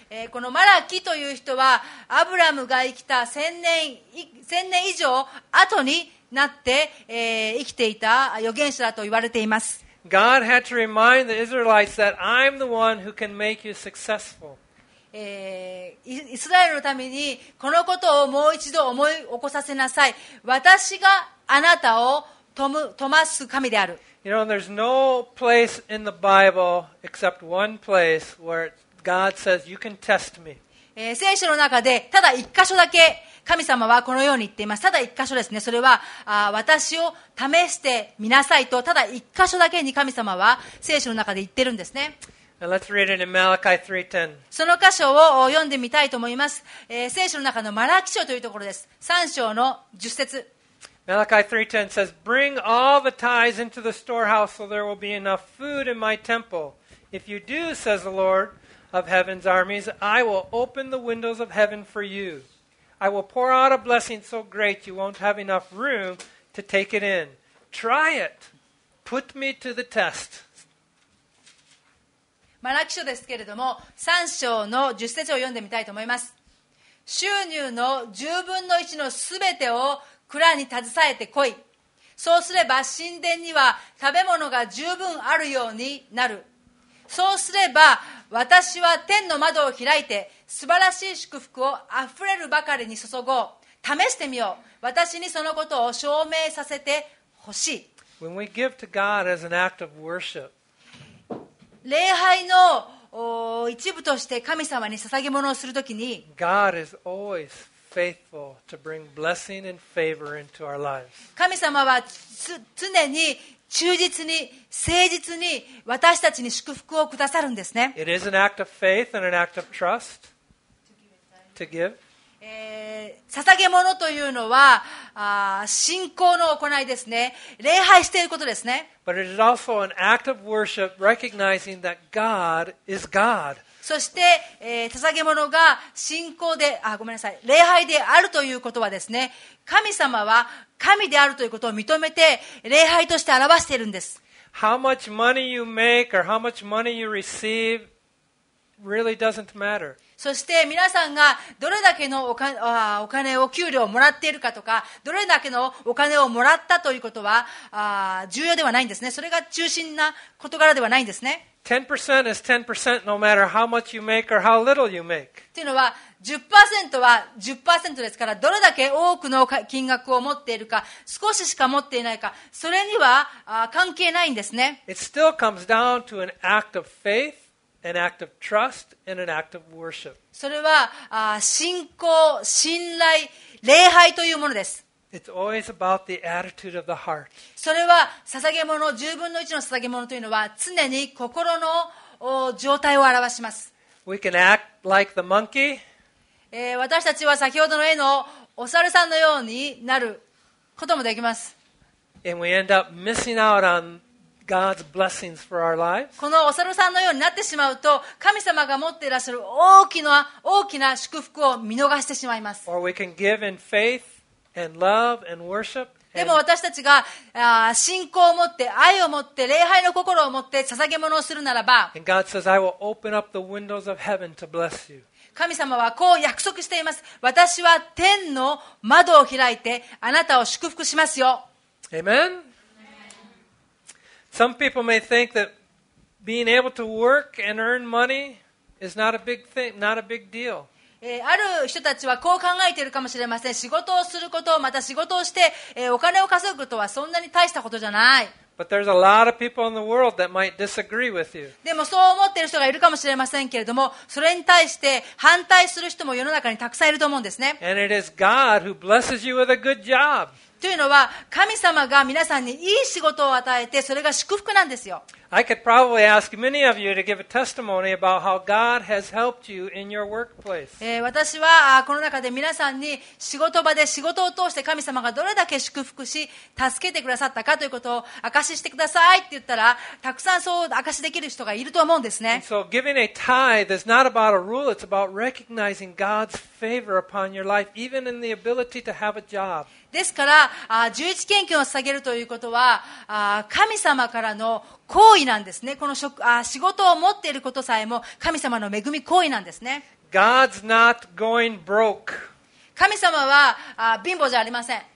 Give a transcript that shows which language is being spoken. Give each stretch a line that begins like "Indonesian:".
Japanese: このマラキという人はアブラムが生きた千年以上後になって、生きていた預言者だと言われています。
English: God had to remind the Israelites that I'm the one who can make you successful.
Japanese: イスラエルのためにこのことをもう一度思い起こさせなさい。私があなたを富ます神である。
English: You know, there's no place in the Bible except one place where God says you can test me.
Japanese: 聖書の中でただ一箇所だけ神様はこのように言っています。ただ一箇所ですね。それは私を試してみなさいと、ただ一箇所だけに神様は聖書の中で言ってるんですね。
English: Let's read it in Malachi 3:10.
Japanese: その箇所を読んでみたいと思います。聖書の中のマラキ書というところです。 3章の10節。
English: Malachi 3:10 says, Bring all the tithes into the storehouse so there will be enough food in my temple. If you do, says the Lord of heaven's armies, I will open the windows of heaven for you. I will pour out a blessing so great you won't have enough room to take it in. Try it. put me to the test.
Japanese: マラキ書ですけれども、3章の10節を読んでみたいと思います。収入の10分の1のすべてを蔵に携えて来い。そうすれば神殿には食べ物が十分あるようになる。そうすれば私は天の窓を開いて素晴らしい祝福をあふれるばかりに注ごう。試してみよう。私にそのことを証明させてほしい。
English: When we give to God as an act of worship,
Japanese: 礼拝の一部として神様に捧げ物をするときに、
English: God is always faithful to bring blessing and favor into our lives.
Japanese: 神様は常に忠実に誠実に私たちに祝福をくださるんですね。
English: It is an act of faith and an act of trust to give.
Japanese: 捧げ物というのは信仰の行いですね。礼拝していることですね。
English: But it is also an act of worship, recognizing that God is God.
Japanese: そして、捧げ物が信仰で、ごめんなさい、礼拝であるということはですね、神様は神であるということを認めて礼拝として表しているんです。
English: How much money you make or how much money you receive really doesn't matter.
Japanese: そして皆さんがどれだけのお金を給料をもらっているかとか、どれだけのお金をもらったということは重要ではないんですね。それが中心な事柄ではないんですね。
English: 10% is 10% no matter how much you make or how little you make.
Japanese: というのは 10% は 10% ですから、どれだけ多くの金額を持っているか、少ししか持っていないか、それには関係ないんですね。
English: It still comes down to an act of faithAn act of trust and an act of worship.
Japanese: それは信仰、信頼、礼拝というものです。
English: It's always about the attitude of the heart.
Japanese: それは捧げ物、十分の一の捧げ物というのは常に心の状態を表します。
English: We can act like the monkey.
Japanese: 私たちは先ほどの絵のお猿さんのようになることもできます。
English: And we end up missing out onGod's blessings for our lives.
Japanese: このお猿さんのようになってしまうと、神様が持っていらっしゃる大きな祝福を見逃してしまいます。
English: Or we can give in faith and love and worship.
Japanese: でも私たちが信仰を持って、愛を持って、礼拝の心を持って捧げ物をするならば、
English: And God says, I will open up the windows of heaven to bless you.
Japanese: 神様はこう約束しています。私は天の窓を開いてあなたを祝福しますよ。
English: Amen. Some people may think that being able to work and earn money is not a big thing, not a big deal.
Japanese: ある人たちはこう考えているかもしれません。仕事をすること、また仕事をしてお金を稼ぐことはそんなに大したことじゃない。
English: But there's a lot of people in the world that might disagree with you.
Japanese: でもそう思っている人がいるかもしれませんけれども、それに対して反対する人も世の中にたくさんいると思うんですね。
English: And it is God who blesses you with a good job.
Japanese: というのは、神様が皆さんにいい仕事を与えて、それが祝福なんですよ。
English: I could probably ask many of you to give a testimony about how God has helped you in your workplace.
Japanese: 私はこの中で皆さんに仕事場で仕事を通して神様がどれだけ祝福し、助けてくださったかということを証ししてくださいって言ったら、たくさんそう証しできる人がいると思うんですね。
English: So giving a tithe is not about a rule, it's about recognizing God's favor upon your life, even in the ability to have a job.
Japanese: ですから、十一献金を捧げるということは、神様からの行為なんですね。この仕事を持っていることさえも神様の恵み行為なんですね。
English: God's not going broke.
Japanese: 神様は貧乏じゃありません。